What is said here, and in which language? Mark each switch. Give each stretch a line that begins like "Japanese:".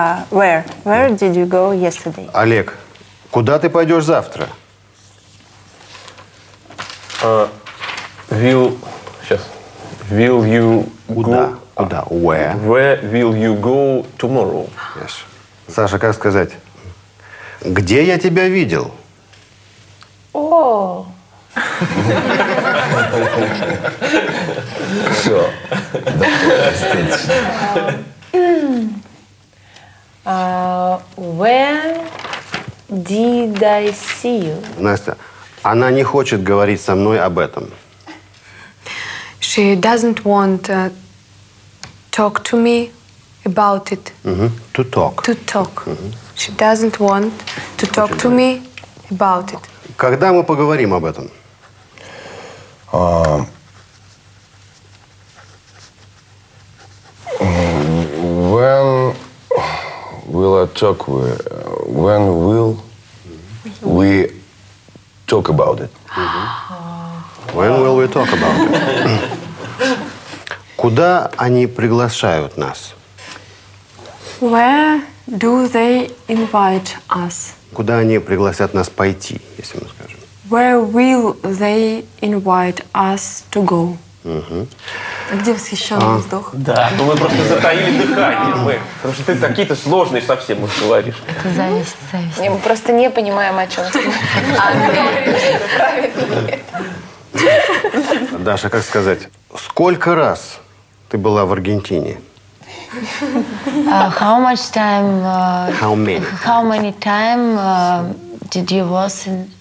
English: Where did you go yesterday?
Russian: Олег, куда ты пойдешь завтра?
English: Will you
Russian: куда?
English: Go?
Russian: Куда?
English: Where? Where will you go tomorrow? Yes.
Russian: Саша, как сказать? Где я тебя видел? Все.
English: When did I see you?
Russian: Настя, она не хочет говорить со мной об этом.
English: She doesn't want to talk to me about it. To talk. To talk. She doesn't want to talk to me about it.
Russian: Когда мы поговорим об этом?
English: When will I talk with? When will we talk about it? When will we talk about it?
Russian: Куда они приглашают нас?
English: Where do they invite us?
Russian: Куда они пригласят нас пойти, если мы скажем?
English: Where will they invite us to go?
Russian: А где восхищенный вздох? Да, ну мы просто затаили дыхание. Потому что ты такие-то сложные совсем уж говоришь. Это зависть, зависть. Не, мы просто не понимаем, о чем ты говоришь. Даша, как сказать, сколько раз ты была в Аргентине?
English: How much time? How many? How many time did you was in?